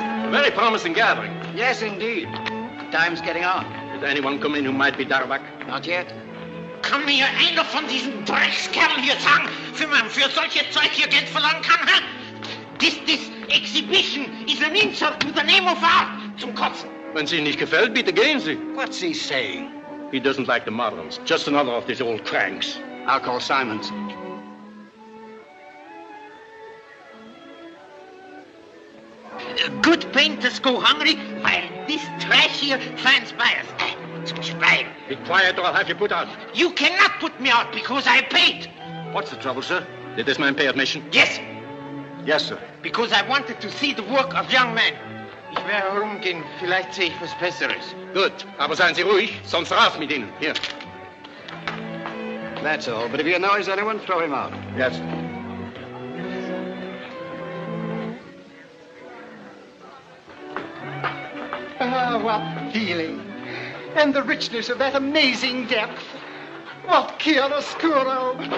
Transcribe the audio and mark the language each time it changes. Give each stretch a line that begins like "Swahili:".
English: Very promising gathering. Yes, indeed. Time's getting on. Did anyone come in who might be Darvac? Not yet. Come here,
German: einer von diesen Dreckskerlen hier sagen, für solche Zeug hier Geld verlangen kann, hä?
English: This exhibition is an insult to the name of art.
German: Zum Kotzen. Wenn sie nicht gefällt, bitte gehen sie.
English: What's he saying? He doesn't like the moderns. Just another of these old cranks. I'll call Simons. Good painters go hungry, while this trash here finds buyers. Be quiet or I'll have you put out. You cannot put me out because I paid. What's the trouble, sir? Did this man pay admission? Yes. Yes, sir. Because I wanted to see the work of young men.
German: Ich wäre herumgehen, vielleicht sehe ich was Besseres.
English: Good.
German: Aber seien Sie ruhig, sonst raus mit Ihnen.
English: Here. That's all. But if he annoys anyone, throw him out. Yes, sir. Oh, what feeling. And the richness of that amazing depth. What chiaroscuro.